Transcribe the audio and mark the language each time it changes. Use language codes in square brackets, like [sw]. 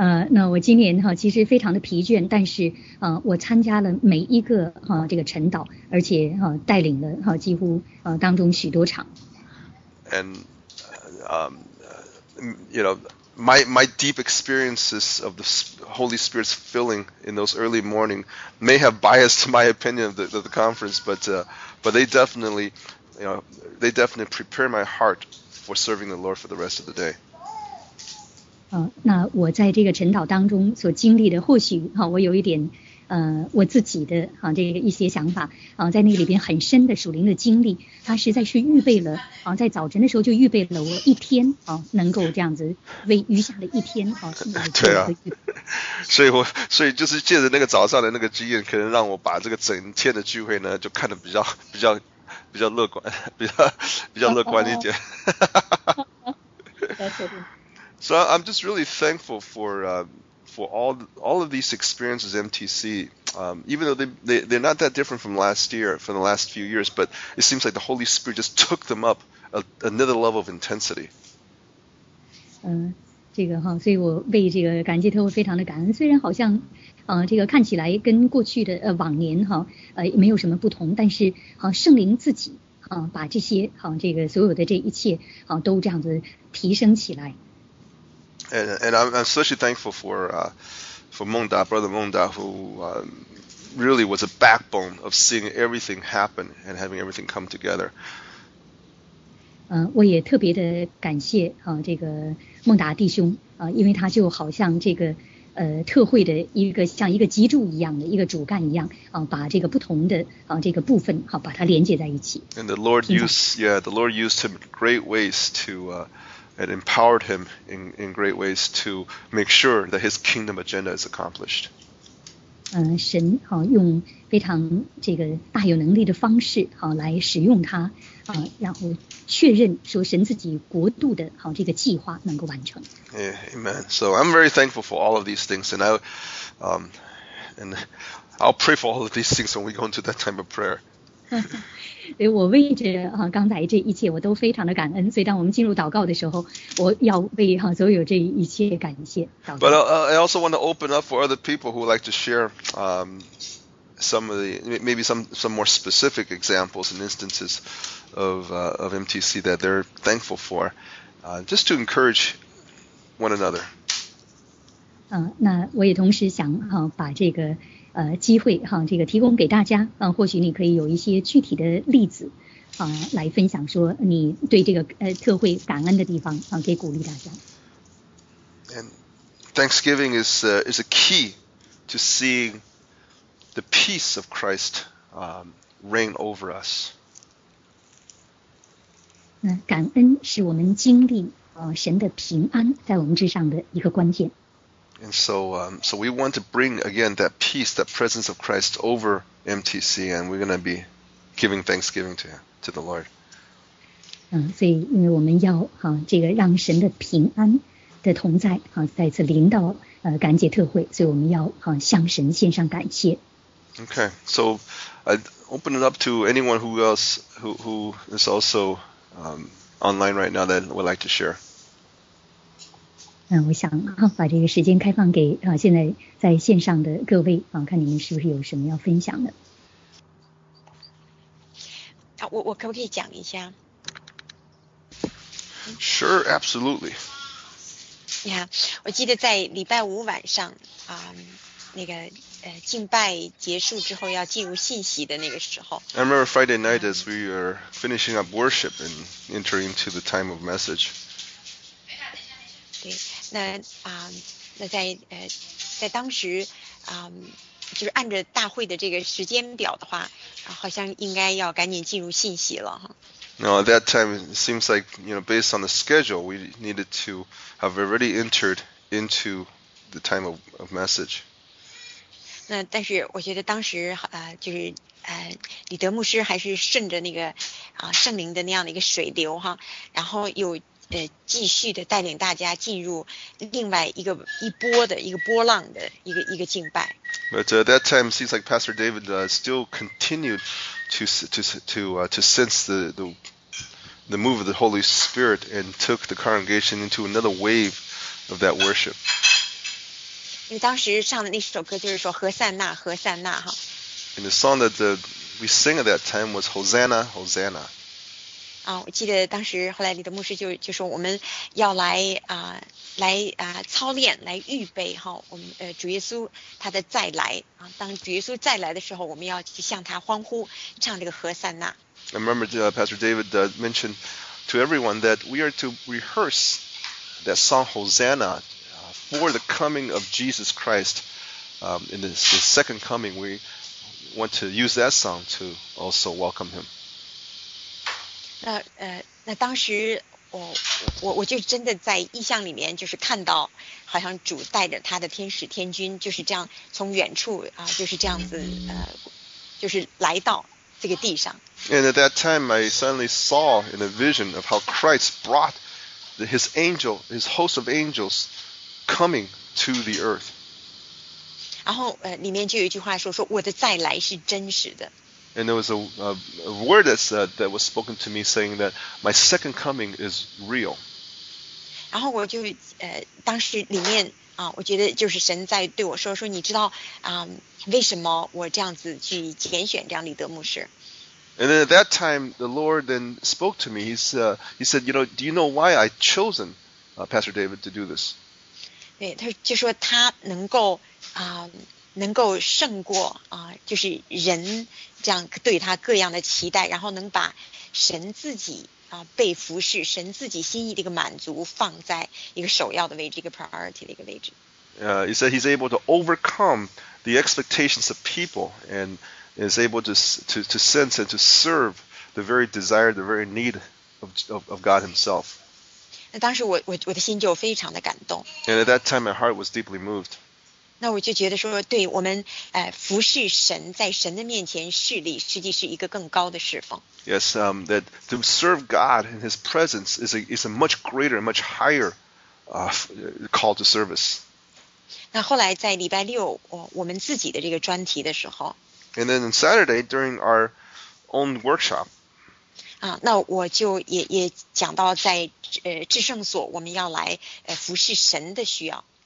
[zh] 那我今年其实非常的疲倦，但是我参加了每一个这个晨祷，而且带领了几乎当中许多场。 [en] And my deep experiences of the Holy Spirit's filling in those early morning may have biased my opinion of the conference, but they definitely prepare my heart for serving the Lord for the rest of the day. [zh] 那我在这个晨祷当中所经历的，或许我有一点我自己的这个一些想法在那里边很深的属灵的经历，它实在是预备了在早晨的时候就预备了我一天能够这样子为余下的一天对啊，所以就是借着那个早上的那个经验，可能让我把这个整天的聚会呢就看得比较乐观，比较乐观一点。 [en] So I'm just really thankful for all of these experiences MTC, even though they're not that different from last year, from the last few years, but it seems like the Holy Spirit just took them up another level of intensity. [zh] 这个所以我为这个感谢特会非常的感恩，虽然好像这个看起来跟过去的往年没有什么不同，但是圣灵自己把这些这个所有的这一切都这样子提升起来。 [en] And I'm especially thankful for Meng Da, Brother Meng Da, who really was a backbone of seeing everything happen and having everything come together. [zh] 我也特别的感谢这个孟达弟兄因为他就好像这个特会的一个像一个脊柱一样的一个主干一样把这个不同的这个部分把它连接在一起。 [en] And the Lord used him in great ways to and empowered him in great ways to make sure that his kingdom agenda is accomplished. [zh] 神好、啊、用非常这个大有能力的方式好、啊、来使用它啊，然后确认说神自己国度的好、啊、这个计划能够完成。 [en] Yeah, amen. So I'm very thankful for all of these things, and I'll pray for all of these things when we go into that time of prayer. [zh] 对，我为着、啊、刚才这一切我都非常的感恩，所以当我们进入祷告的时候，我要为、啊、所有这一切感谢祷告。 [en] But I also want to open up for other people who like to share、some of the maybe some more specific examples and instances of MTC that they're thankful for、just to encourage one another. [zh] 那我也同时想、啊、把这个机会哈、啊，这个提供给大家，啊，或许你可以有一些具体的例子，啊，来分享说你对这个特会感恩的地方，啊，可以鼓励大家。 [en] And Thanksgiving is a key to seeing the peace of Christ reign over us. [zh] 那感恩是我们经历神的平安在我们之上的一个关键。 [en] And so we want to bring again that peace, that presence of Christ over MTC, and we're going to be giving thanksgiving to the Lord. [zh] 所以因为我们要哈、啊、这个让神的平安的同在哈、啊、再次临到感恩节特会，所以我们要哈、啊、向神献上感谢。 [en] Okay, so I open it up to anyone who is also online right now that would like to share. [zh] 我想、啊、把这个时间开放给、啊、现在在线上的各位、啊、看你们是不是有什么要分享的。好 我可不可以讲一下 [en] ？Sure, absolutely. [zh] Yeah, 我记得在礼拜五晚上、那个敬拜结束之后要进入信息的那个时候。 [en] I remember Friday night as we were finishing up worship and entering into the time of message. [zh] 对，那那在在当时就是按着大会的这个时间表的话，好像应该要赶紧进入信息了哈。 [en] No, at that time it seems like you know based on the schedule we needed to have already entered into the time of message. [zh] 那但是我觉得当时就是李德牧师还是顺着那个圣灵的那样的一个水流哈，然后有。继续的带领大家进入另外一个一波的一个波浪的一个敬拜。 [en] But at that time, it seems like Pastor David still continued to sense the move of the Holy Spirit and took the congregation into another wave of that worship. [zh] 因为当时唱的那首歌就是说何塞纳何塞纳哈。 [en] And the song that we sing at that time was Hosanna Hosanna. [zh] 我记得当时后来李德牧师就说我们要来操练来预备哈，我们主耶稣他的再来啊，当主耶稣再来的时候，我们要去向他欢呼，唱这个何塞纳。 [en] I remember Pastor David mentioned to everyone that we are to rehearse that song Hosanna for the coming of Jesus Christ. In the second coming, we want to use that song to also welcome him. [zh] 那当时我就真的在异象里面就是看到好像主带着他的天使天君就是这样从远处啊就是这样子就是来到这个地上。 [en] And at that time I suddenly saw in a vision of how Christ brought his angel, his host of angels coming to the earth. [zh] 然后里面就有一句话说我的再来是真实的。 [en] And there was a word that said, that was spoken to me saying that my second coming is real. [zh] 然后我就当时里面啊，我觉得就是神在对我说你知道为什么我这样子去拣选这样李德牧师。 [en] And then at that time, the Lord then spoke to me. He said, you know, do you know why I chosen Pastor David to do this? [zh] 对，他就说他能够能够胜过就是人这样对他各样的期待，然后能把神自己被服侍，神自己心意的一个满足放在一个首要的位置，一个 priority 的一个位置。 [en] He said he's able to overcome the expectations of people and is able to sense and to serve the very desire, the very need of God Himself. [zh] 那当时我的心就非常的感动。 [en] And at that time, my heart was deeply moved. [zh] 那我就觉得说，对我们服侍神，在神的面前侍立，实际是一个更高的侍奉。 [en] Yes, that to serve God in His presence is a much greater, much higher, call to service. [zh] 那后来在礼拜六，我们自己的这个专题的时候。 [en] And then on Saturday during our own workshop. [zh] 啊，那我就也讲到在至圣所，我们要来服侍神的需要。